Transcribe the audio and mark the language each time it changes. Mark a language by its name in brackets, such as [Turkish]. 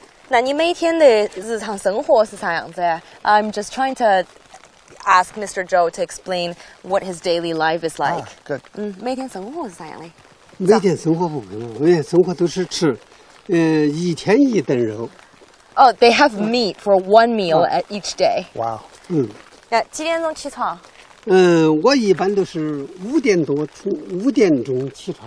[Chinese] 那你每天的日常生活是啥样子啊？ [English] I'm just trying to ask Mr. Joe to explain what his daily life is like. [Chinese] Good. 每天生活是啥样的？每天生活不一样，每天生活都是吃，一天一顿肉。Oh, [English] they have meat for one meal at each day. Wow. [Chinese] 那几点钟起床？我一般都是五点钟起床。